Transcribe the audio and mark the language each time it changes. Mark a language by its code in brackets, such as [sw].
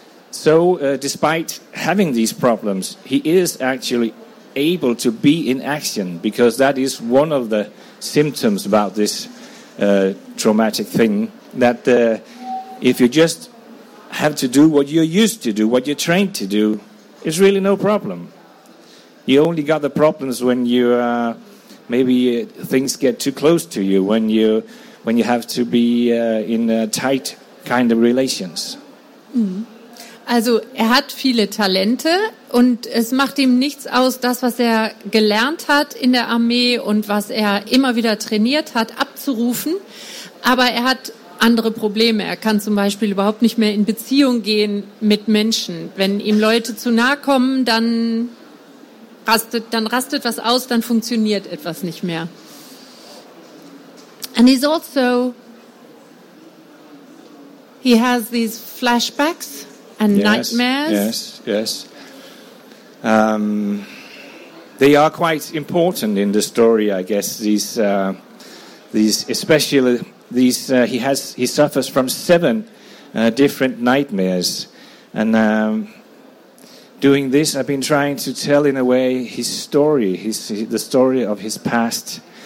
[en] So despite having these problems, he is actually able to be in action, because that is one of the symptoms about this traumatic thing, that if you just have to do what you're used to do, what you're trained to do, it's really no problem. You only got the problems when you maybe things get too close to you, when you have to be in a tight kind of relations. [de] Also er hat viele Talente, und es macht ihm nichts aus, das, was er gelernt hat in der Armee und was er immer wieder trainiert hat, abzurufen. Aber er hat andere Probleme. Er kann zum Beispiel überhaupt nicht mehr in Beziehung gehen mit Menschen. Wenn ihm Leute zu nahe kommen, dann rastet was aus, dann funktioniert etwas nicht mehr. [en] And he's also, he has these flashbacks and yes, nightmares. Yes. they are quite important in the story, I guess. He suffers from seven different nightmares, and doing this, I've been trying to tell in a way his story, the story of his past.